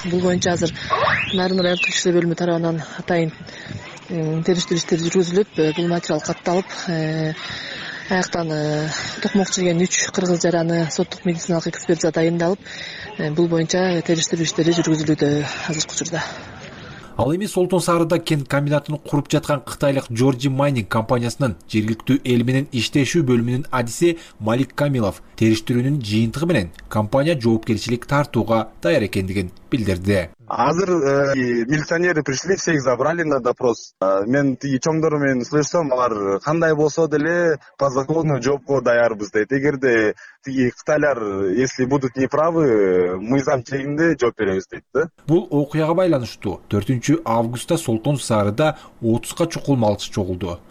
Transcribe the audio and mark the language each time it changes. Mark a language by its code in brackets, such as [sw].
[ky] Бул боюнча азыр Нарын райондук ички иштер бөлүмү тарабынан атайын териштирүү иштери жүргүзүлүп, бул материал катталып, аяктан токмок жеген 3 кыргыз жараны соттук медициналык экспертиза дайындалып, бул боюнча териштирүү иштери жүргүзүлүүдө азыркы учурда. Ал эми Солтон Сарыда кен комбинатын куруп жаткан кытайлык Georgi Mining компаниясынын жергиликтүү эл менен иштешүү бөлүмүнүн адиси Малик Камилов териштирүүнүн жыйынтыгы менен компания жоопкерчилик тартууга даяр экендигин билдирди. [ru] Азыр милиционеры пришли, всех забрали на допрос. [ky] Мен тиги чоңдору менен сүйлөшсөм, алар кандай болсо деле [ru] по закону [ky] жоопко даярбыз дейт. Эгерде тиги кытайлар [ru] если будут неправы, [ky] мы за чегинде жооп беребиз дейт да. Бул окуяга байланыштуу 4-августта Солтон Сарыда 30га чукул малчы чогулду.